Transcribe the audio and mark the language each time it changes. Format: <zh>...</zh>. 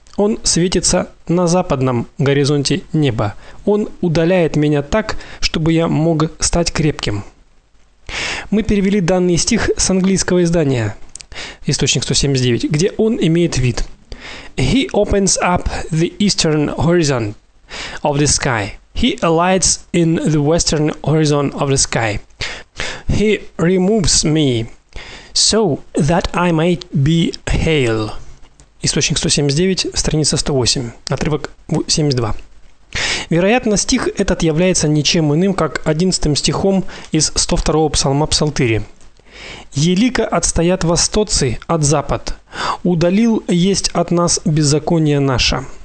<ru>Он светится на западном горизонте неба. Он удаляет меня так, чтобы я мог стать крепким». Мы перевели данный стих с английского издания, источник 179, где он имеет вид.</ru> <en>«He opens up the eastern horizon of the sky. He alights in the western horizon of the sky. He removes me so that I might be hail».</en> <ru>Источник 179, страница 108, отрывок 72. Вероятно, стих этот является ничем иным, как 11 стихом из 102 псалма Псалтыри.</ru> <cu>«Елико отстоят востоцы от запад, удалил есть от нас беззаконие наше».</cu>